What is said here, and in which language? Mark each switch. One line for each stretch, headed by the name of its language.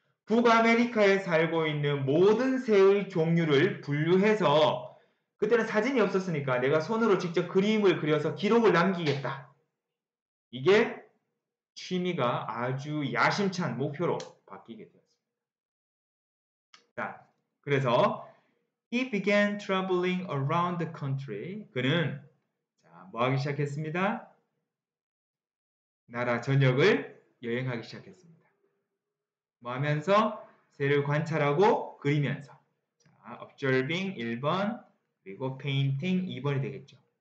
Korean: 북아메리카에 살고 있는 모든 새의 종류를 분류해서 그때는 사진이 없었으니까 내가 손으로 직접 그림을 그려서 기록을 남기겠다. 이게 취미가 아주 야심찬 목표로 바뀌게 돼요.
English: 자,
Korean: 그래서
English: he began traveling around the country.
Korean: 그는 자, 뭐 하기 시작했습니다. 나라 전역을 여행하기 시작했습니다. 뭐 하면서 새를 관찰하고 그리면서. 자, observing 1번 그리고 painting 2번이 되겠죠.